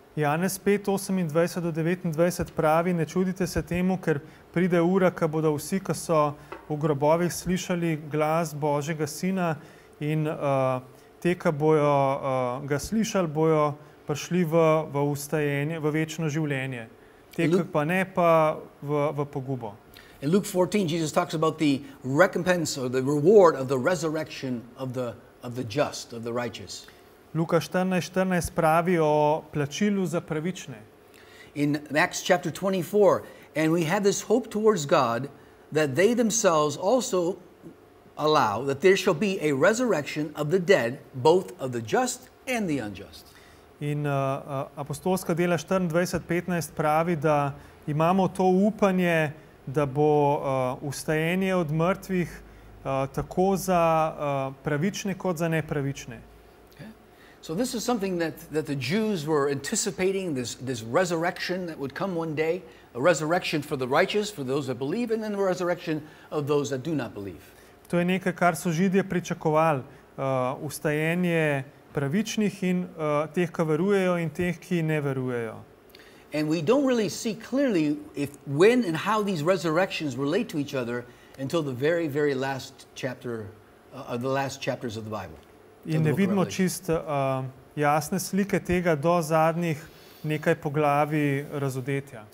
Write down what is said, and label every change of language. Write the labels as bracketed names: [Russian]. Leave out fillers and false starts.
[Slovenian] Janez 5:28-29 pravi, ne čudite se temu, ker pride ura, ko bodo vsi, ko so v grobovih slišali glas Božjega sina in te, ko bojo ga slišali, bojo prišli v vstajenje, v večno življenje. Te, ko pa ne, pa v pogubo. [English] In Luke 14, Jesus talks about the recompense or the reward of the resurrection of the just, of the righteous. [Slovenian] Luka 14:14 pravi o plačilu za pravične. [English] In Acts chapter 24, and we have this hope towards God that they themselves also allow that there shall be a resurrection of the dead, both of the just and the unjust. [Slovenian] In apostolska dela 24:15 pravi, da imamo to upanje, da bo vstajenje od mrtvih tako za pravične kot za nepravične. [English] So this is something that the Jews were anticipating, this resurrection that would come one day, a resurrection for the righteous, for those that believe, and then the resurrection of those that do not believe. [Slovenian] To je nekaj, kar so Židje pričakovali, vstajenje pravičnih in teh, ki verujejo, in teh, ki ne verujejo. [English] And we don't really see clearly if when and how these resurrections relate to each other until the very, very last chapter, the last chapters of the Bible. [Slovenian] In ne vidimo čist jasne slike tega do zadnjih nekaj poglavij razodetja.